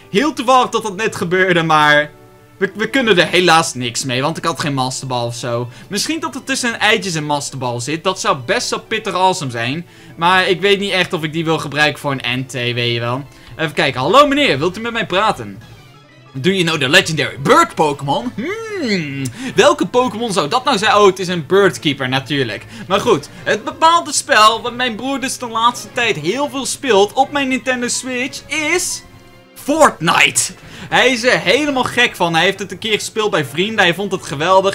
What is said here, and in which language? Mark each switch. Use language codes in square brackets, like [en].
[nl] Heel toevallig dat dat net gebeurde, maar... We kunnen er helaas niks mee, want ik had geen masterbal of zo. Misschien dat er tussen een eitje een masterbal zit. Dat zou best wel pittig awesome zijn. Maar ik weet niet echt of ik die wil gebruiken voor een Entei, weet je wel. Even kijken. Hallo meneer, wilt u met mij praten? [en] Do you know the legendary bird Pokémon? [nl] Welke Pokémon zou dat nou zijn? Oh, het is een birdkeeper natuurlijk. Maar goed, het bepaalde spel wat mijn broer dus de laatste tijd heel veel speelt op mijn Nintendo Switch is... Fortnite! Hij is er helemaal gek van. Hij heeft het een keer gespeeld bij vrienden. Hij vond het geweldig.